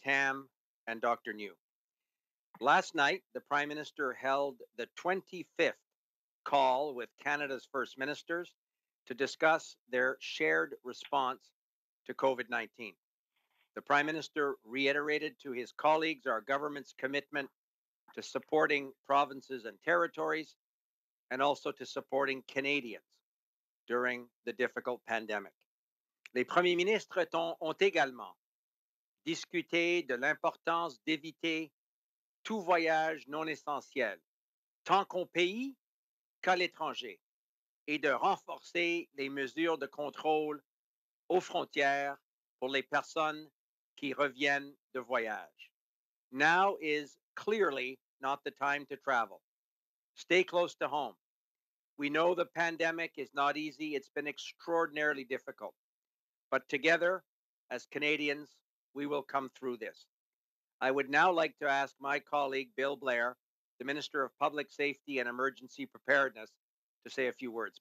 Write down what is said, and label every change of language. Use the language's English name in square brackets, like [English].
[English] Tam and Dr. Njoo. Last night, the Prime Minister held the 25th call with Canada's first ministers to discuss their shared response to COVID-19. The Prime Minister reiterated to his colleagues our government's commitment to supporting provinces and territories, and also to supporting Canadians during the difficult pandemic. [French] Les premiers ministres ont également discuté de l'importance d'éviter tout voyage non essentiel, tant qu'au pays qu'à l'étranger, et de renforcer les mesures de contrôle aux frontières pour les personnes qui reviennent de voyage. [English] Now is clearly not the time to travel. Stay close to home. We know the pandemic is not easy. It's been extraordinarily difficult. But together, as Canadians, we will come through this. I would now like to ask my colleague, Bill Blair, the Minister of Public Safety and Emergency Preparedness, to say a few words.